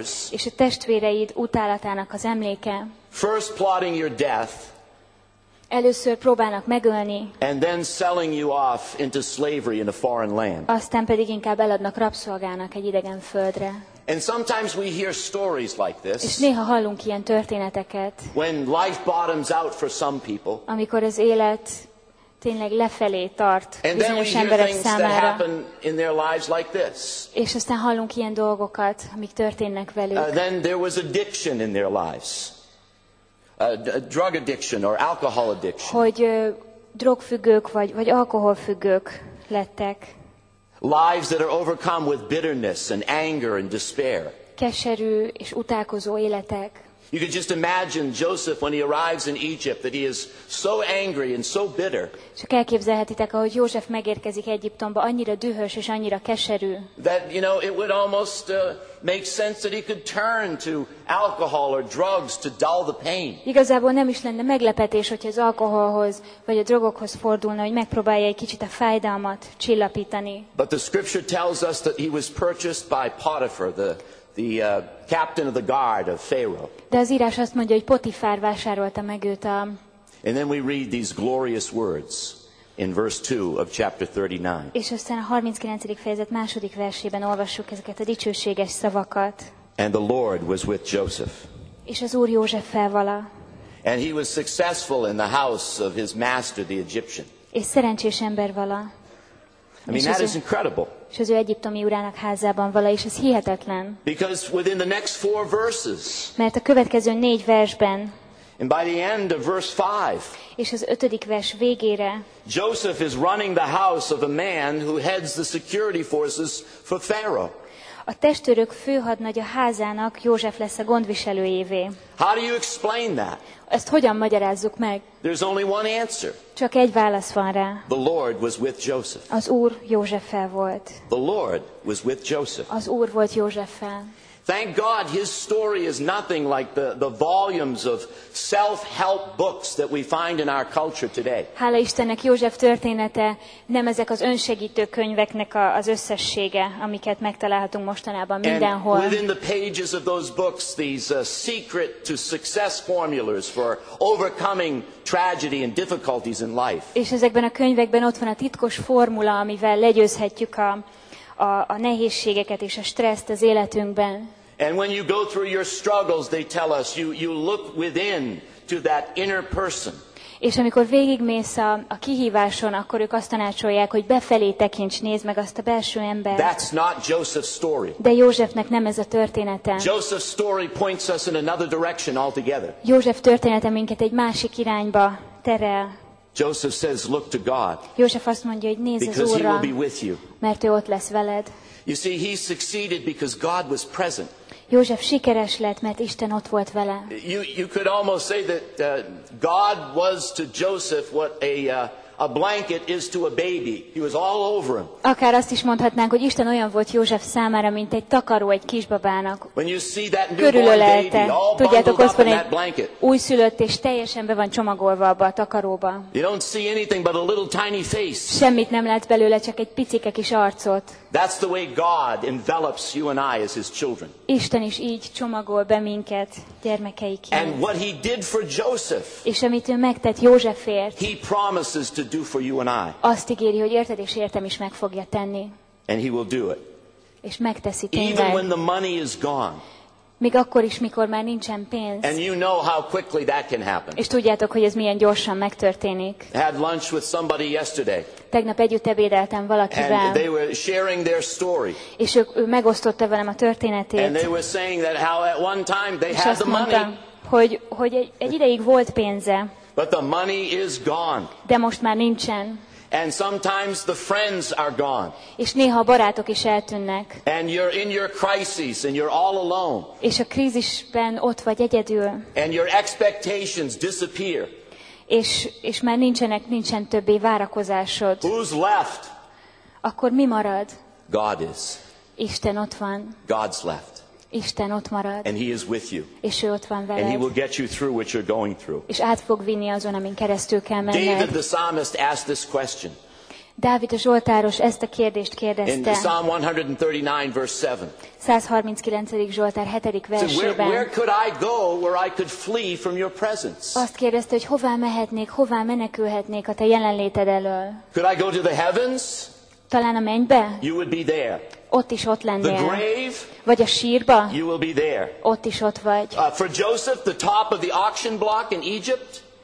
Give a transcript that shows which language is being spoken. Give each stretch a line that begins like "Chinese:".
Hungarian: És a testvéreid utálatának az emléke.
English: First plotting your death.
Hungarian: Először próbálnak megölni.
English: And then selling you off into slavery in a foreign land.
Hungarian: Aztán pedig inkább eladnak rabszolgának egy idegen földre.
English: And sometimes we hear stories like this.
Hungarian: És néha hallunk ilyen történeteket.
English: When life bottoms out for some people.
Hungarian: Amikor az élet tényleg lefelé tart bizonyos emberek számára.
English: That happen in their lives like this.
Hungarian: És aztán hallunk ilyen dolgokat, amik történnek velük.
English: Then there was addiction in their lives. drug addiction or alcohol addiction.
Hungarian: Hogy drogfüggők vagy alkoholfüggők lettek.
English: Lives that are overcome with bitterness and anger and despair.
Hungarian: Keserű és utálkozó életek.
English: You can just imagine Joseph when he arrives in Egypt that he is so angry and so bitter.
Hungarian: Csak elképzelhetitek, ahogy József megérkezik Egyiptomba, annyira dühös és annyira keserű.
English: That you know it would almost make sense that he could turn to alcohol or drugs to dull the pain.
Hungarian: Igazából nem is lenne meglepetés, hogyha az alkoholhoz vagy a drogokhoz fordulna, hogy megpróbálja egy kicsit a fájdalmat csillapítani.
English: But the scripture tells us that he was purchased by Potiphar, the captain of the guard of Pharaoh.
Hungarian: De az írás azt mondja, hogy Potifár vásárolta meg őt a...
English: And then we read these glorious words in verse 2 of chapter 39.
Hungarian: És aztán a 39. fejezet második versében olvassuk ezeket a dicsőséges szavakat.
English: And the Lord was with Joseph.
Hungarian: És az Úr Józseffel vala.
English: And he was successful in the house of his master, the Egyptian.
Hungarian: És szerencsés ember vala.
English: I mean, that is incredible.
Hungarian: És az ő egyiptomi urának házában vala, és ez hihetetlen.
English: Because within the next four verses.
Hungarian: Mert a következő négy versben.
English: And by the end of verse 5.
Hungarian: És az ötödik vers végére.
English: Joseph is running the house of a man who heads the security forces for Pharaoh.
Hungarian: A testőrök főhadnagya házának József lesz a gondviselőjévé.
English: How do you explain that?
Hungarian: Ezt hogyan magyarázzuk meg?
English: There's only one answer.
Hungarian: Csak egy válasz van rá.
English: The Lord was with Joseph.
Hungarian: Az Úr Józseffel volt.
English: The Lord was with Joseph.
Hungarian: Az Úr volt Józseffel.
English: Thank God his story is nothing like the volumes of self-help books that we find in our culture today.
Hungarian: Hála Istennek, József története nem ezek az önsegítő könyveknek az összessége, amiket megtalálhatunk mostanában mindenhol.
English: And within the pages of those books, these secret to success formulas for overcoming tragedy and difficulties in life.
Hungarian: És ezekben a könyvekben ott van a titkos formula, amivel legyőzhetjük a nehézségeket és a stresszt az életünkben.
English: And when you go through your struggles, they tell us, you look within to that inner person.
Hungarian: És amikor végigmész a kihíváson, akkor ők azt tanácsolják, hogy befelé tekints, nézd meg azt a belső embert.
English: That's not Joseph's story.
Hungarian: De Józsefnek nem ez a története.
English: Joseph's story points us in another direction altogether.
Hungarian: József története minket egy másik irányba terel.
English: Joseph says, look to God.
Hungarian: József azt mondja, hogy nézz az Úrra.
English: Because he will be with you.
Hungarian: Mert ő ott lesz veled.
English: You see, he succeeded because God was present.
Hungarian: József sikeres lett, mert Isten ott volt vele.
English: You could almost say that God was to Joseph what a blanket is to a baby. He was all over him.
Hungarian: Akár azt is mondhatnánk, hogy Isten olyan volt József számára, mint egy takaró egy kisbabának.
English: When you see that newborn baby all bundled up in that blanket.
Hungarian: Újszülött és teljesen be van csomagolva abba a takaróba.
English: You don't see anything but a little tiny face.
Hungarian: Semmit nem látsz belőle, csak egy picike kis arcot.
English: That's the way God envelops you and I as his children.
Hungarian: Isten is így csomagol be minket gyermekeiként.
English: And what he did for Joseph.
Hungarian: És amit ő megtett Józsefért.
English: He promises to do for you and I.
Hungarian: Azt ígéri, hogy érted és értem is meg fogja tenni.
English: And he will do it.
Hungarian: És megteszi tényleg.
English: Even when the money is gone.
Hungarian: Még akkor is, mikor már nincsen pénz.
English: And you know how quickly that can happen.
Hungarian: És tudjátok, hogy ez milyen gyorsan megtörténik.
English: I had lunch with somebody yesterday.
Hungarian: Tegnap együtt ebédeltem valakivel.
English: And they were sharing their story.
Hungarian: És ő megosztotta velem a történetét.
English: And they were saying that how at one time they
Hungarian: és
English: had the
Hungarian: mondta,
English: money.
Hungarian: Hogy egy ideig volt pénze.
English: But the money is gone.
Hungarian: De most már nincsen.
English: And sometimes the friends are gone.
Hungarian: És néha a barátok is eltűnnek.
English: And you're in your crisis and you're all alone.
Hungarian: És a krízisben ott vagy egyedül.
English: And your expectations disappear.
Hungarian: És már nincsen többé várakozásod.
English: Who's left?
Hungarian: Akkor mi marad?
English: God is.
Hungarian: Isten ott van.
English: God's left.
Hungarian: Isten ott marad.
English: And he is with you.
Hungarian: És ő ott van veled.
English: And he will get you through what you're going through.
Hungarian: És át fog vinni azon, amin keresztül kell menned.
English: David the psalmist asked this question.
Hungarian: Dávid a zsoltáros ezt a kérdést kérdezte.
English: In Psalm 139 verse 7.
Hungarian: 139. Zsoltár 7. versében.
English: Where could I go where I could flee from your presence?
Hungarian: Azt kérdezte, hogy hová mehetnék, hová menekülhetnék a te jelenléted elől.
English: Could I go to the heavens?
Hungarian: Talán a mennybe?
English: You would be there.
Hungarian: Ott is ott lennél.
English: The grave?
Hungarian: Vagy a sírba?
English: You will be there.
Hungarian: Ott is ott vagy.
English: For Joseph, the top of the auction block in Egypt?